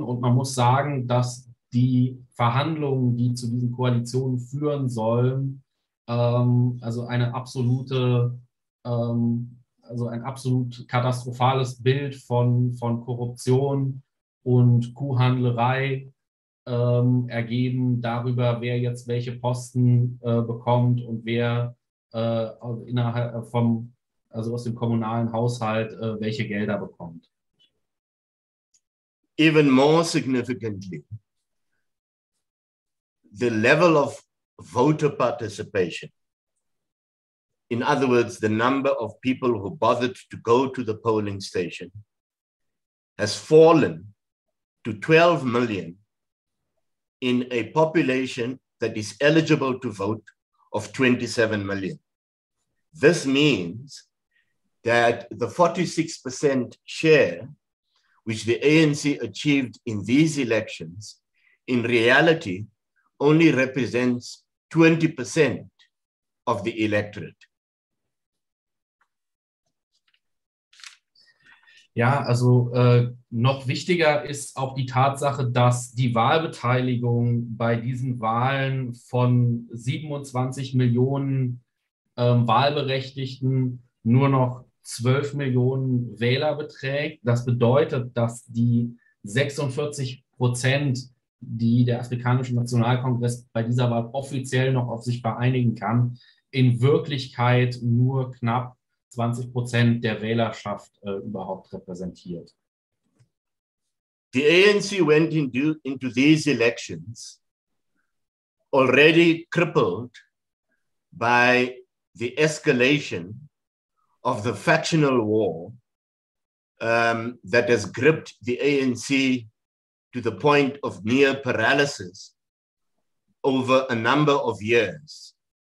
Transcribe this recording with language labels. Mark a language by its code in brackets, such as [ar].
[de] Und man muss sagen, dass die Verhandlungen, die zu diesen Koalitionen führen sollen, also ein absolut katastrophales Bild von Korruption und Kuhhandlerei ergeben darüber, wer jetzt welche Posten bekommt und wer innerhalb vom, also aus dem kommunalen Haushalt, welche Gelder bekommt. [en] Even more significantly, the level of voter participation, in other words, the number of people who bothered to go to the polling station, has fallen to 12 million in a population that is eligible to vote of 27 million. This means that the 46% share which the ANC achieved in these elections, in reality, only represents 20% of the electorate. [de] Ja, also noch wichtiger ist auch die Tatsache, dass die Wahlbeteiligung bei diesen Wahlen von 27 Millionen Wahlberechtigten nur noch 12 Millionen Wähler beträgt. Das bedeutet, dass die 46%, die der Afrikanische Nationalkongress bei dieser Wahl offiziell noch auf sich vereinigen kann, in Wirklichkeit nur knapp 20% der Wählerschaft überhaupt repräsentiert. [en] The ANC went into these elections already crippled by the escalation of the factional war that has gripped the ANC to the point of near paralysis over a number of years.